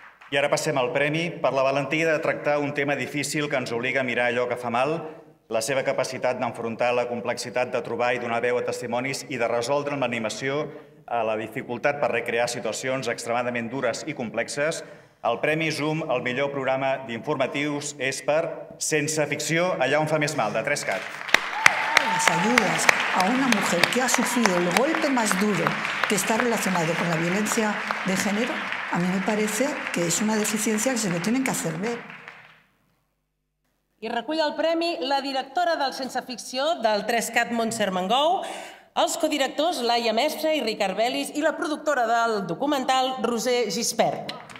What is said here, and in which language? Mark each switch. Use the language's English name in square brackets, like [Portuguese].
[Catalan] I ara passem al premi per la valentia de tractar un tema difícil que ens obliga a mirar allò que fa mal, la seva capacitat d'enfrontar la complexitat de trobar i donar veu a testimonis i de resoldre amb animació a la dificultat per recrear situacions extremadament dures i complexes, el Premi Zoom al millor programa d'informatius és per Sense ficció, allà on fa més mal, de 3CAT. [Spanish] Les ajudes a una mujer que ha sufrido el golpe más duro que está relacionado con la violencia de género, a mí me parece que es una deficiencia que se lo tienen que hacer ver. [Catalan] I recull el premi la directora del Sense ficció del 3CAT, Montse Armengou, els codirectors Laia Mestre i Ricard Belis i la productora del documental Roser Gispert.